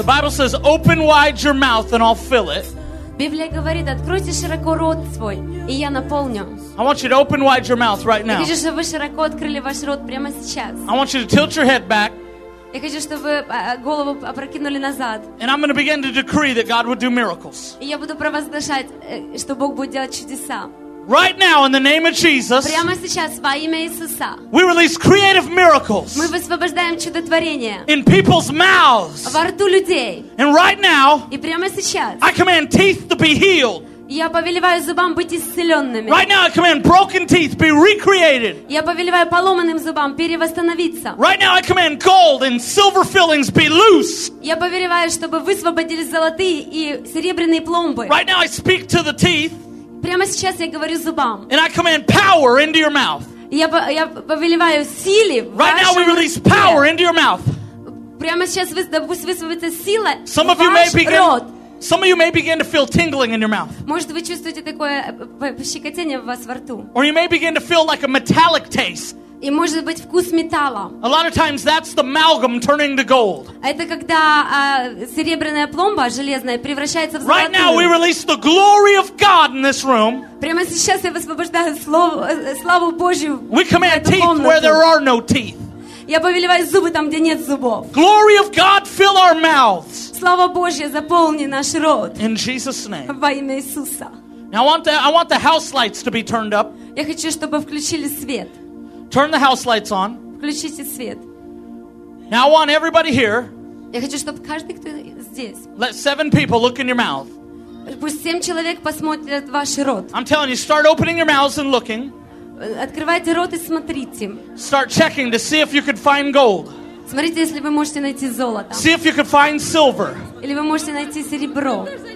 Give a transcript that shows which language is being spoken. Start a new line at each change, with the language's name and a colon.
English: Says, open wide your mouth and I'll fill it.
Russian: Библия говорит, откройте широко рот свой, и я наполню.
English: I want you to open wide your mouth right now.
Russian: Я хочу, чтобы вы широко открыли ваш рот прямо сейчас.
English: I want you to tilt your head back.
Russian: Я хочу, чтобы голову опрокинули назад.
English: And I'm going to begin to decree that God will do miracles.
Russian: И я буду провозглашать, что Бог будет делать чудеса.
English: Right now, in the name of Jesus,
Russian: прямо сейчас, во имя Иисуса,
English: we release creative miracles.
Russian: Мы высвобождаем чудотворение
English: in people's mouths.
Russian: Во рту людей.
English: And right now,
Russian: и прямо сейчас,
English: I command teeth to be healed.
Russian: Я повелеваю зубам быть исцеленными.
English: Right now, I command broken teeth be recreated.
Russian: Я повелеваю поломанным зубам перевосстановиться.
English: Right now, I command gold and silver fillings be loose.
Russian: Я повелеваю, чтобы высвободились золотые и серебряные пломбы.
English: Right now, I speak to the teeth.
Russian: Прямо сейчас я говорю зубам.
English: And I command power into your mouth.
Russian: Я повелеваю силе.
English: Right now we release power into your mouth.
Russian: Прямо сейчас высвободится сила.
English: Some of you may begin. Some of you may begin to feel tingling in your mouth.
Russian: Может вы чувствуете такое щекотание у вас во рту.
English: Or you may begin to feel like a metallic taste.
Russian: И может быть вкус металла.
English: A lot of times that's the amalgam turning to gold.
Russian: Это когда серебряная пломба железная превращается в золото.
English: Right now we release the glory of God in this room.
Russian: Прямо сейчас я высвобождаю славу Божью.
English: We command teeth where there are no teeth.
Russian: Я повелеваю зубы там, где нет зубов.
English: Glory of God, fill our mouths.
Russian: Слава Божья, заполни наш рот.
English: In Jesus' name.
Russian: Во имя Иисуса.
English: Now I want the house lights to be turned up.
Russian: Я хочу, чтобы включили свет.
English: Turn the house lights on.
Russian: Включите свет.
English: Now I want everybody here.
Russian: Я хочу, чтобы каждый, кто здесь.
English: Let 7 people look in your mouth.
Russian: Пусть 7 человек посмотрят в ваш рот.
English: I'm telling you, start opening your mouths and looking.
Russian: Открывайте рот и смотрите.
English: Start checking to see if you could find gold.
Russian: Смотрите, если вы можете найти золото.
English: See if you could find silver.
Russian: Или вы можете найти серебро.